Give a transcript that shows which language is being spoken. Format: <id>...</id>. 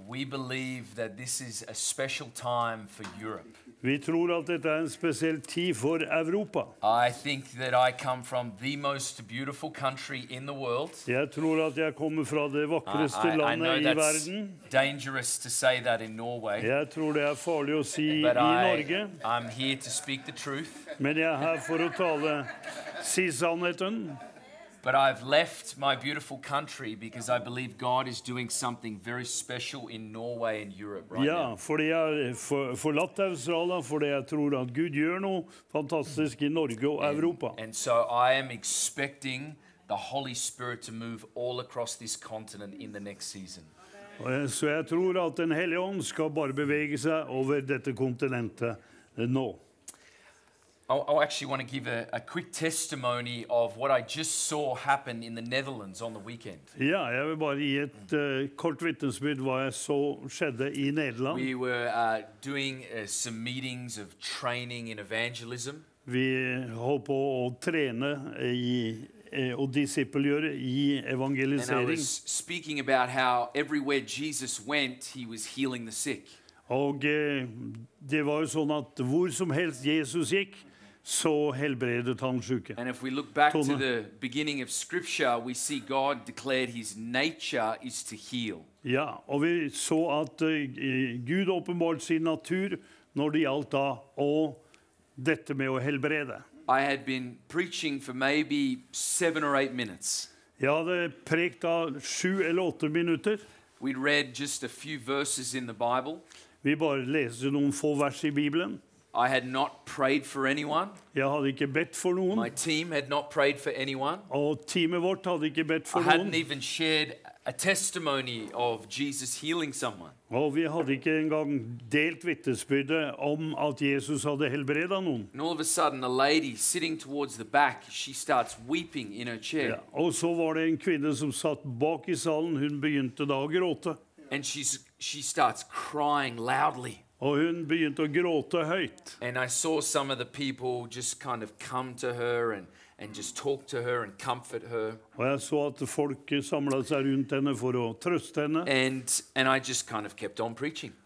<en>We believe that this is a special time for Europe.</en> <no>Vi tror at dette en spesiell tid for Europa.</no> <en>I think that I come from the most beautiful country in the world.</en> <no>Jeg tror at jeg kommer fra det vakreste landet I verden.</no> <en>I know that's dangerous to say that in Norway.</en> <no>Jeg tror det farlig å si I Norge.</no> <en>I'm here to speak the truth.</en> <no>Men jeg for å tale, si sannheten.</no> <en>But I've left my beautiful country because I believe God is doing something very special in Norway and Europe right yeah, now.</en> <no>Fordi jeg forlatt Australia, fordi jeg tror at Gud gjør noe fantastisk I Norge og Europa.</no> <en>And so I am expecting the Holy Spirit to move all across this continent in the next season.</en> <no>Så jeg tror at den Hellige Ånd skal bare bevege seg over dette kontinentet nå.</no> <en>I actually want to give a quick testimony of what I just saw happen in the Netherlands on the weekend.</en> <no>Ja, jeg vil bare gi et kort vitnesbyrd hva jeg så skjedde I Nederland.</no> <en>We were doing some meetings of training in evangelism.</en> <no>Vi holdt på å trene og disippelgjøre I evangelisering.</no> <en>And I was speaking about how everywhere Jesus went, he was healing the sick.</en> <no>Og det var jo sånn at hvor som helst Jesus gikk, så helbredet han syke.</no> <en>And if we look back to the beginning of scripture, we see God declared his nature is to heal.</en> <no>Ja, og vi så at Gud åpenbart sin natur når det gjaldt da, og dette med å helbrede.</no> <en>I had been preaching for maybe 7 or 8 minutes.</en> <no>Jeg hadde prekt da 7 eller 8 minutter.</no> <en>We'd read just a few verses in the Bible.</en> <no>Vi bare leste noen få vers I Bibelen.</no> <en>I had not prayed for anyone.</en> <no>Jeg hadde ikke bedt for noen.</no> <en>My team had not prayed for anyone.</en> <no>Og teamet vårt hadde ikke bedt for noen.</no> <en>I hadn't even shared a testimony of Jesus healing someone.</en> <no>Og vi hadde ikke engang delt vitnesbyrdet om at Jesus hadde helbredet noen.</no> <en>And all of a sudden, a lady sitting towards the back, she starts weeping in her chair.</en> <no>Ja. Og så var det en kvinne som satt bak I salen, hun begynte da å gråte.</no> <en>And she starts crying loudly.</en> <no>Og hun begynte å gråte høyt.</no> <en>And I saw some of the people just kind of come to her and just talk to her and comfort her.</en> <no>Og jeg så at folk samlet seg rundt henne for å trøste henne.</no> <en>And I just kind of kept on preaching.</en>